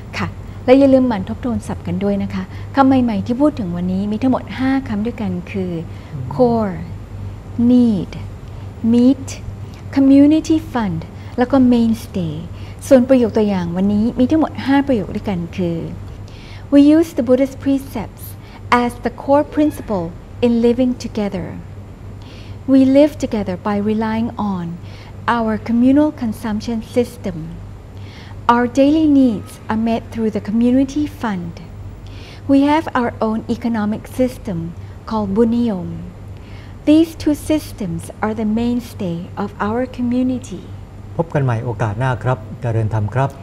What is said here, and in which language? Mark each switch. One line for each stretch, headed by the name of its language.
Thai: ค่ะและอย่าลืมหมั่นทบทวนศัพท์กันด้วยนะคะคำใหม่ๆที่พูดถึงวันนี้มีทั้งหมด5คำด้วยกันคือ Core Need Meet Community Fundแล้วก็ mainstay ส่วนประโยคตัวอย่างวันนี้มีทั้งหมด5ประโยคด้วยกันคือ
English: We use the Buddhist precepts as the core principle in living together. We live together by relying on our communal consumption system. Our daily needs are met through the community fund. We have our own economic system called บุญนิยม. These two systems are the mainstay of our community.
Thai: พบกันใหม่โอกาสหน้าครับเจริญธรรมครับ